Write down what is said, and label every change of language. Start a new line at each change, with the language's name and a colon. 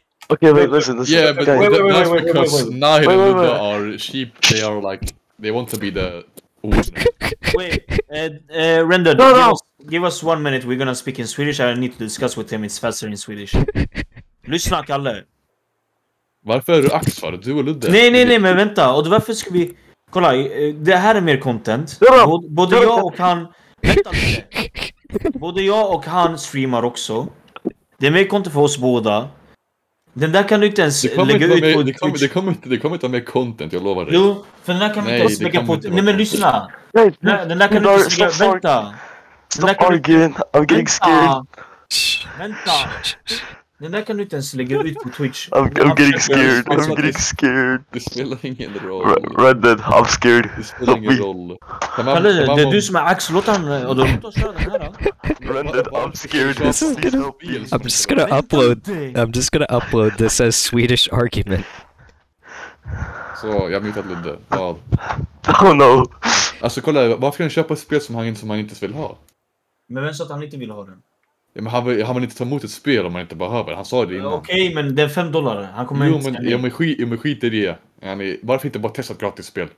English: Okay, wait, listen, this yeah, is, but okay. That's because Nihil and Luda are sheep, they are like, they want to be the. Wait, Render, give us 1 minute, we're gonna speak in Swedish, I need to discuss with him, it's faster in Swedish.
Swedish: Lyssna, Kalle. Varför är du Axfar? Du och Ludde? Nej, men vänta, och varför ska vi... Kolla, det här är mer content. Både jag och han... Både jag och han streamar också. Det är mer content för oss båda. Den där kan du inte ens lägga ut på Twitch. Det kommer inte ha mer content, jag lovar dig. Jo, för den där kan du inte ens lägga på... Nej, men lyssna. Den där kan du inte lägga... Vänta.
English: Stop arguing. I'm getting scared.
Swedish: Vänta. Den där kan du inte ens lägga ut på Twitch.
English: I'm getting scared.
Swedish: Det spelar ingen roll.
English: Red Dead, I'm scared.
Swedish: Det spelar ingen roll. Kalle, det är du som är Axel. Låt han köra den här.
English: Red Dead, I'm scared. I'm just gonna upload this as Swedish argument.
Swedish: Så, jag mutat Ludde. Vad?
English: Oh no.
Swedish: Alltså kolla, varför kan du köpa ett spel som han inte vill ha? Men vem sa att han inte vill ha den? Ja, men han vill inte ta emot ett spel om man inte behöver det. Han sa det innan. Okej, men det är $5. Han kommer inte skriva. Jo, men skit i det. Varför inte bara testa ett gratis spel?